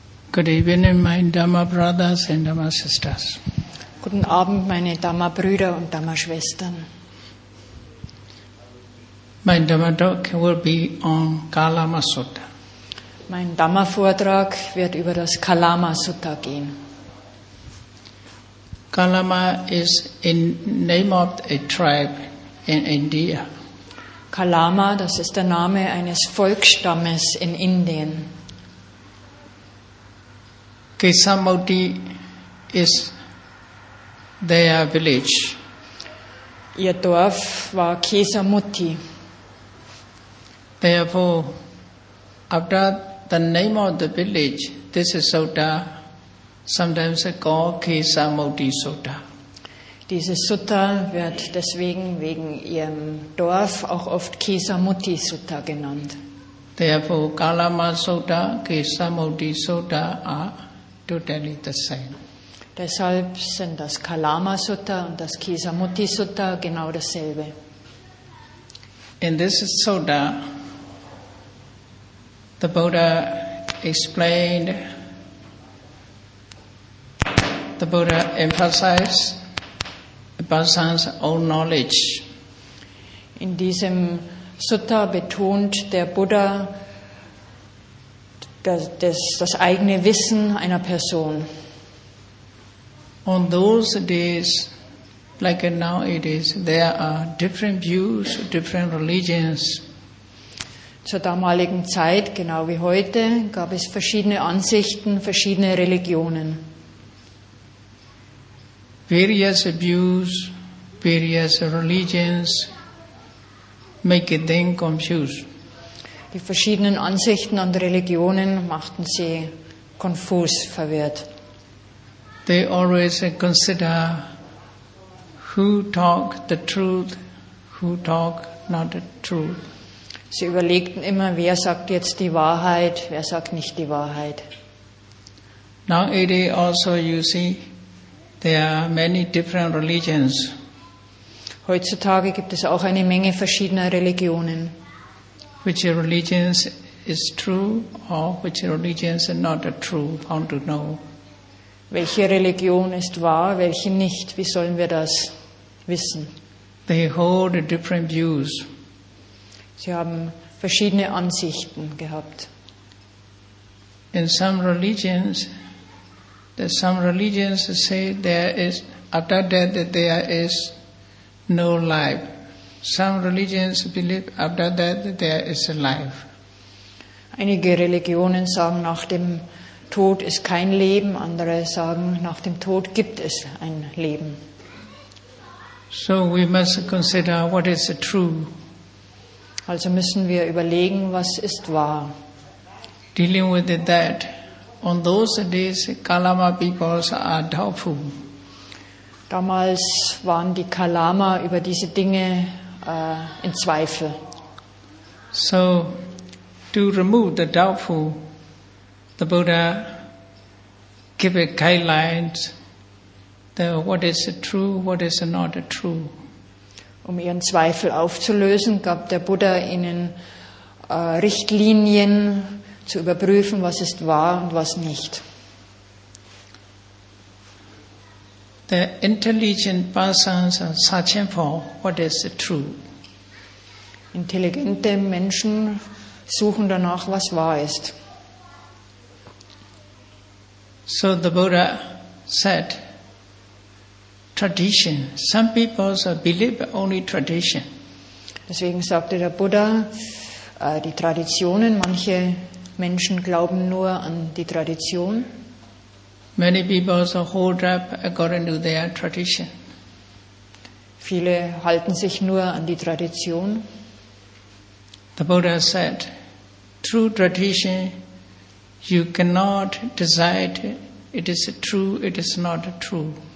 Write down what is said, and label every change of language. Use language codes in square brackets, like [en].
[en] Good evening, my Dhamma brothers and Dhamma sisters. [de] Guten Abend, meine Dhamma Brüder und Dhamma Schwestern. [en] My Dhamma talk will be on Kalama Sutta. [de] Mein Dhamma Vortrag wird über das Kalama Sutta gehen. [en] Kalama is a name of a tribe in India. [de] Kalama, das ist der Name eines Volksstammes in Indien. [en] Krishnamurti is their village. [de] Ihr Dorf war Kesamuti. [en] Therefore, after the name of the village, this is Sutta, sometimes called Kesamuti Sutta. [de] Dieses Sutta wird deswegen wegen ihrem Dorf auch oft Kesamuti Sutta genannt. [en] Therefore, Kalama Sutta, Kesamuti Sutta are totally the same. [de] Deshalb sind das Kalama Sutta und das Kesamuti Sutta genau dasselbe. [en] In this Sutta, the Buddha explained, the Buddha emphasized a person's own knowledge. [de] In diesem Sutta betont der Buddha das eigene Wissen einer Person. [en] On those days, like now it is, there are different views, different religions. [de] Zur damaligen Zeit, genau wie heute, gab es verschiedene Ansichten, verschiedene Religionen. [en] Various views, various religions make them confused. [de] Die verschiedenen Ansichten und Religionen machten sie konfus, verwirrt. [en] They always consider who talk the truth, who talk not the truth. [de] Sie überlegten immer, wer sagt jetzt die Wahrheit, wer sagt nicht die Wahrheit. [en] Nowadays also you see, there are many different religions. [de] Heutzutage gibt es auch eine Menge verschiedener Religionen. [en] Which religions is true or which religions are not true, how to know? [de] Welche Religion ist wahr, welche nicht? Wie sollen wir das wissen? [en] They hold different views. [de] Sie haben verschiedene Ansichten gehabt. [en] In some religions say there is after death there is no life. Some religions believe after death there is a life. [de] Einige Religionen sagen, nach dem Tod ist kein Leben. Andere sagen, nach dem Tod gibt es ein Leben. [en] So we must consider what is true. [de] Also müssen wir überlegen, was ist wahr. [en] Dealing with that, on those days, Kalama peoples are doubtful. [de] Damals waren die Kalama über diese Dinge in Zweifel. [en] So, to remove the doubtful, the Buddha gave a guidelines that what is true, what is not true. [de] Um ihren Zweifel aufzulösen, gab der Buddha ihnen Richtlinien zu überprüfen, was ist wahr und was nicht. [en] The intelligent persons are searching for what is true. [de] Intelligente Menschen suchen danach, was wahr ist. [en] So the Buddha said, tradition. Some people believe only tradition. [de] Deswegen sagte der Buddha, die Traditionen, manche Menschen glauben nur an die Tradition. [en] Many people hold up according to their tradition. [de] Viele halten sich nur an die Tradition. [en] The Buddha said, true tradition, you cannot decide it is true, it is not true.